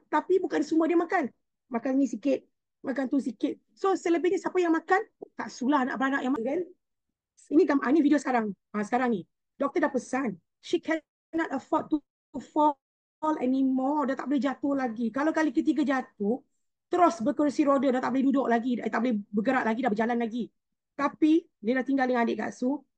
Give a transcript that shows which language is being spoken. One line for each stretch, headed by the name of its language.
Malay: Tapi bukan semua dia makan. Makan ni sikit. Makan tu sikit. So selebihnya siapa yang makan? Tak sulah anak-anak yang makan. Kan? Ini video sekarang. Sekarang ni. Doktor dah pesan.
English: She cannot afford to fall anymore.
Malay: Dah tak boleh jatuh lagi. Kalau kali ketiga jatuh, terus berkerusi roda. Dah tak boleh duduk lagi. Tak boleh bergerak lagi. Dah berjalan lagi. Tapi dia dah tinggal dengan adik Kak Su.